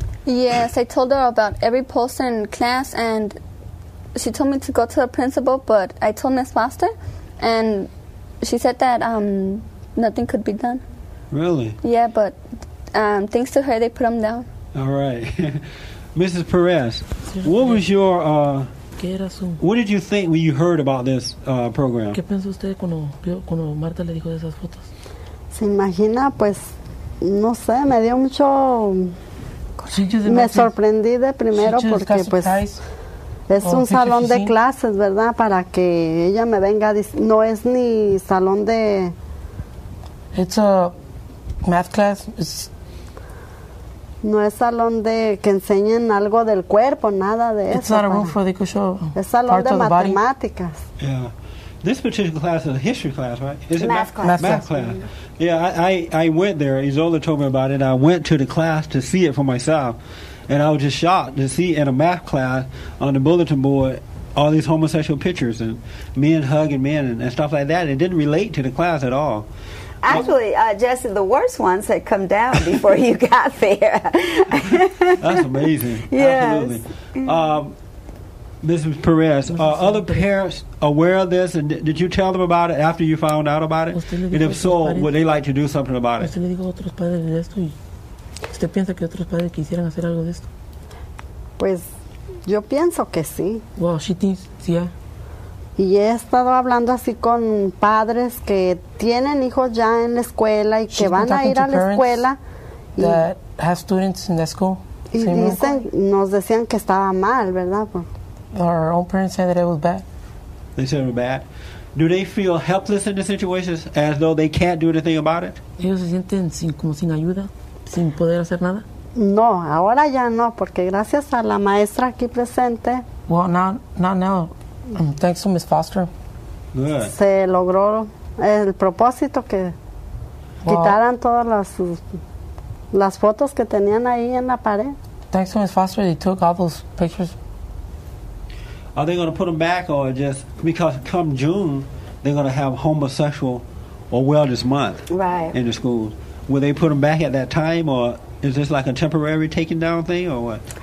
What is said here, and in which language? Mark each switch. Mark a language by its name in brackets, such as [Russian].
[English] Yes, I told her about every poster in class, and she told me to go to the principal, but I told Miss Foster, and she said that nothing could be done. Really? Yeah, but thanks to her, they put them down. All right. Mrs. Perez, what was your... What did you think when you heard about this program? [Spanish] ¿Qué pensó usted cuando Marta le dijo de esas fotos? Se imagina, pues, no sé, me dio mucho... Me sorprendí de primero porque, pues, es un salón de clases, ¿verdad? Para que ella me venga, no es ni salón de... [English] It's a math class. It's... [Spanish] No es salón de que enseñen algo del cuerpo, nada de eso. [English] It's not a room for the cushion. [Spanish] Es salón de matemáticas. [English] Body. Yeah. This particular class is a history class, right? Is it math class. Mm-hmm. Yeah, I went there. Ezola told me about it. I went to the class to see it for myself, and I was just shocked to see in a math class on the bulletin board all these homosexual pictures and men hugging men and stuff like that. It didn't relate to the class at all. Actually, Jesse, the worst ones had come down before you got there. That's amazing. Yes. Absolutely. Mrs. Perez, are other parents aware of this, and did you tell them about it after you found out about it? And if so, would they like to do something about it? [Spanish] ¿Usted piensa que otros padres quisieran hacer algo de esto? Pues, yo pienso que sí. [English] Well, she thinks, yeah. [Spanish] Y he estado hablando así con padres que tienen hijos ya en la escuela y que van a ir a la escuela. [English] That have students in the school. [Spanish] Y dicen, nos decían que estaba mal, ¿verdad? [English] Our own parents said that it was bad. They said it was bad. Do they feel helpless in the situations, as though they can't do anything about it? [Spanish] ¿Ellos se sienten como sin ayuda, sin poder hacer nada? No, ahora ya no, porque gracias a la maestra aquí presente. [English] Well, not now. Thanks to Miss Foster. Good. [Spanish] Se logró el propósito que quitaran todas las fotos que tenían ahí en la pared. [English] Thanks to Miss Foster, they took all those pictures. Are they going to put them back, or just because come June, they're going to have homosexual or wellness month right. In the schools? Will they put them back at that time, or is this like a temporary taking down thing, or what?